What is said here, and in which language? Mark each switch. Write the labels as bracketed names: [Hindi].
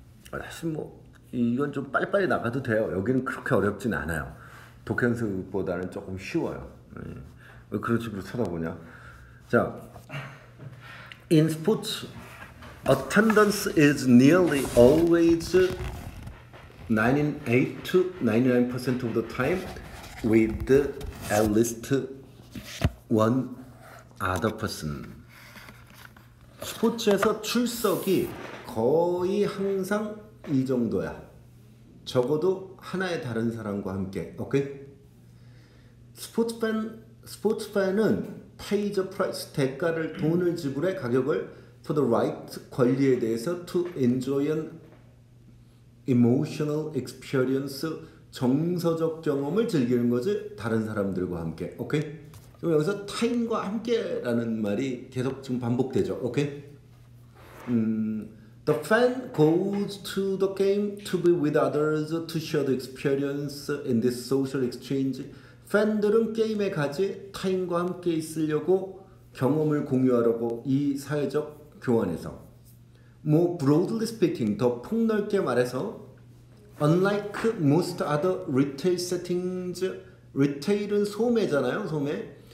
[Korean] 사실 뭐, 이건 좀 빨리빨리 나가도 돼요. 여기는 그렇게 어렵진 않아요. 독현수보다는 조금 쉬워요. 왜 그런 식으로 쳐다보냐. [English] 자, in sports, attendance is nearly always 98% to 99% of the time with at least one other person. [Korean] 스포츠에서 출석이 거의 항상 이 정도야. 적어도 하나의 다른 사람과 함께. 오케이? 스포츠 팬은 페이저 프라이스 대가를 돈을 지불해 가격을 [English] for the right [Korean] 권리에 대해서 [English] to enjoy an emotional experience [Korean] 정서적 경험을 즐기는 거지 다른 사람들과 함께. 오케이? 그럼 여기서 타인과 함께라는 말이 계속 지금 반복되죠. 오케이? [English] The fan goes to the game to be with others to share the experience in this social exchange. [Korean] 팬들은 게임에 가지 타인과 함께 있으려고 경험을 공유하려고 이 사회적 교환에서. 뭐 [English] broadly speaking, [Korean] 더 폭넓게 말해서 [English] unlike most other retail settings, [Korean] 리테일은 소매잖아요, 소매.